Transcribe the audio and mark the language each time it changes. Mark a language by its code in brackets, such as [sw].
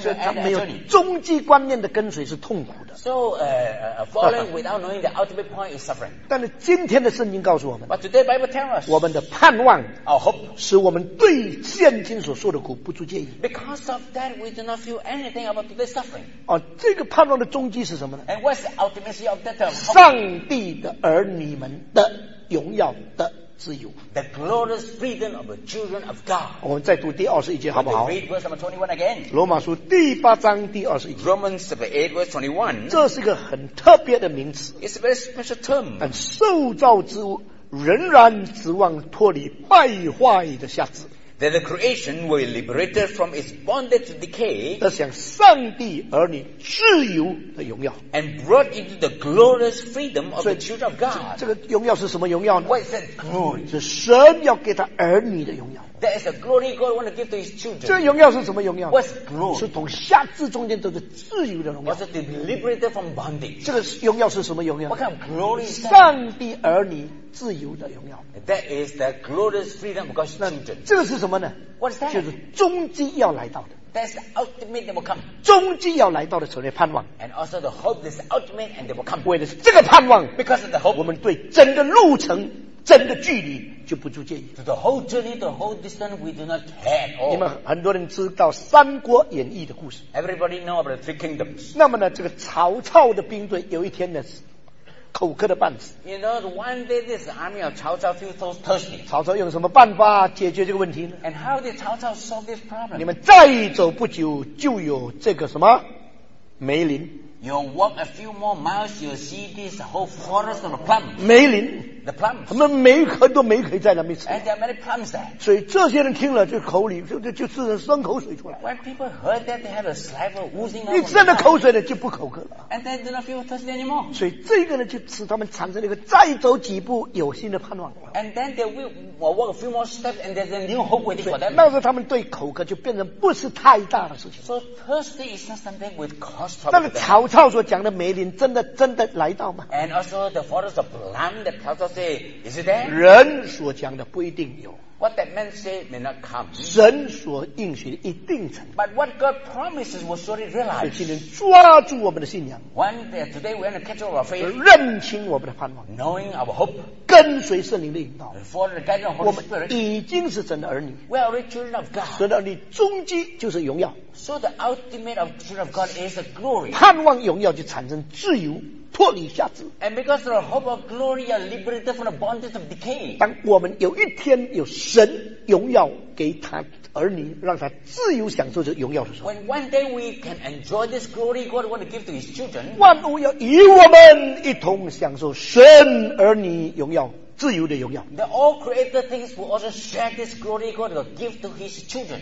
[zh] 所以他没有终极观念的跟随是痛苦的 [en] so, following without knowing the ultimate point is suffering. [zh] 但是今天的圣经告诉我们 [en] But today Bible tells us, [zh] 我们的盼望 [en] our hope, [zh] 使我们对现今所受的苦不足介意 [en] because of that we do not feel anything about today's suffering、 [zh] 哦、这个盼望的终极是什么呢 [en] and what's the ultimacy of that hope? [zh] 上帝的儿女们的荣耀的自由。 [en] The glorious freedom of the children of God. [zh] 我们再读第二十一节好不好？ [en] Read verse number 21 again. [zh] 罗马书第八章第二十一节。 [en] Romans chapter 8 verse 21. [zh] 这是一个很特别的名词。 [en] It's a very special term. [zh] 但受造之物仍然指望脱离败坏的辖制。 [en] That the creation will be liberated from its bondage to decay, [zh] 得享上帝儿女自由的荣耀 [en] and brought into the glorious freedom of the children of God. [zh] 这个荣耀是什么荣耀呢？ [en] What is that glory? [zh] 是神要给他儿女的荣耀。 [en] That is the glory God wants to give to His children. [zh] 这荣耀是什么荣耀？ [en] What's glory? [zh] 是从辖制中间得的自由的荣耀。 [en] What's to be liberated from bondage? [zh] 这个荣耀是什么荣耀？ [en] What kind of glory is that? [zh] 上帝儿女自由的荣耀。 [en] That is the glorious freedom of God's children. [zh] 这个是什么呢？ [en] What is that? [zh] 就是终极要来到的。 [en] That's the ultimate that will come. [zh] 终极要来到的成为盼望。 [en] And also the hope that's ultimate and that will come. [zh] 为的是这个盼望。 [en] Because of the hope. [zh] 我们对真的路程。真的距离就不足介意。 [en] To the whole journey, the whole distance, we do not care at all. [zh] 你们很多人知道《三国演义》的故事。 [en] Everybody know about the three kingdoms. [zh] 那么呢，这个曹操的兵队有一天呢，口渴的半死。 [en] You know, one day this army of Cao Cao feels so thirsty. [zh] 曹操用什么办法解决这个问题呢 [en] ？And how did Cao Cao solve this problem? [zh] 你们再走不久就有这个什么梅林。 [en] You walk a few more miles, you'll see this whole forest of plums. [zh] 梅林。 [en] The plums. [zh] 他们梅很多梅可以在那边吃。 [en] And there are many plums there. [zh] 所以这些人听了就口里就吃成生口水出来。 [en] When people heard that, they had a saliva oozing out. [zh] 你吃了口水了就不口渴了。 [en] And they do not feel thirsty anymore. [zh] 所以这个呢就使他们产生了一个再走几步有新的盼望。 [en] And then they will walk a few more steps and there's a new hope waiting for them. [zh] 那时候他们对口渴就变成不是太大的事情。 [en] So thirsty is not something with cost trouble. [zh] 那个曹操曹操所讲的梅林真的来到吗 [en] ？And also the forest of plum that Cao say is it there？ [zh] 人所讲的不一定有。 [en] What that man say may not come。 [zh] 神所应许的一定成。 [en] But what God promises will surely realize。 [zh] 所以今天抓住我们的信仰。 [en] One day today we're going to catch hold of our faith。 [zh] 认清我们的盼望。 [en] Knowing our hope。 [zh] 跟随圣灵的引导。 [en] For the guidance of Holy Spirit。 [zh] 已经是神的儿女。 [en] We are children of God。 [zh] 神的儿女终极就是荣耀。 [en] So the ultimate of the children of God is the glory. [zh] 盼望荣耀就产生自由，脱离辖制。 [en] And because the hope of glory are liberated from the bondage of decay. [zh] 当我们有一天有神荣耀给他儿女，让他自由享受这荣耀的时候。 [en] When one day we can enjoy this glory God want to give to His children. [zh] 万物要与我们一同享受神儿女荣耀。自由的荣耀。 [en] The all created things will also share this glory God will give to His children.